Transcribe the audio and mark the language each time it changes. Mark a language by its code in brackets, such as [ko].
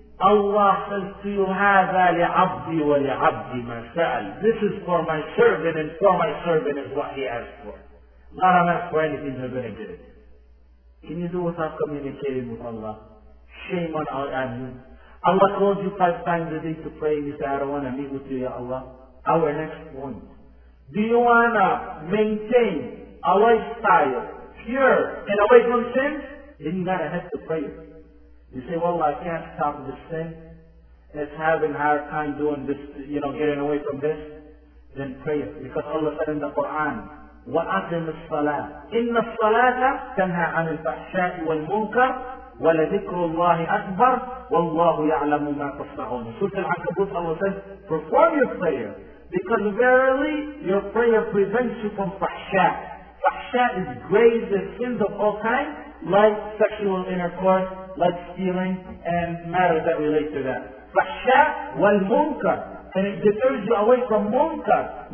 [en] Allah says to you, [ar] هذا لعبدي ولعبدي ما سأل. [en] This is for my servant and for my servant is what he asked for. Not I'm asked for anything, they're going to get it. Can you do without communicating with Allah? Shame on our admin. Allah told you 5 times a day to pray and you say, I don't want to meet with you, Ya Allah. Our next point. Do you want to maintain a lifestyle pure and away from sin? Then you got to have to pray. You say, well, I can't stop this thing. It's having a hard time doing this, you know, getting away from this. Then pray it. Because Allah said in the Quran, [ar] وَأَقِمِ الصَّلَاةِ إِنَّ الصَّلَاةَ تَنْهَى عَنِ الْفَحْشَاءِ وَالْمُنْكَرِ وَلَذِكْرُ اللَّهِ أَكْبَرُ وَاللَّهُ يَعْلَمُ مَا تَصْنَعُونَ. [en] Surah Al-Ankabut, Allah says, perform your prayer. Because verily, your prayer prevents you from fahsha. Fahsha is grave, the sins of all kinds, like sexual intercourse, like stealing, and matters that relate to that. [ar] فَحْشَى وَالْمُنْكَرْ. [en] And it deters you away from munkar.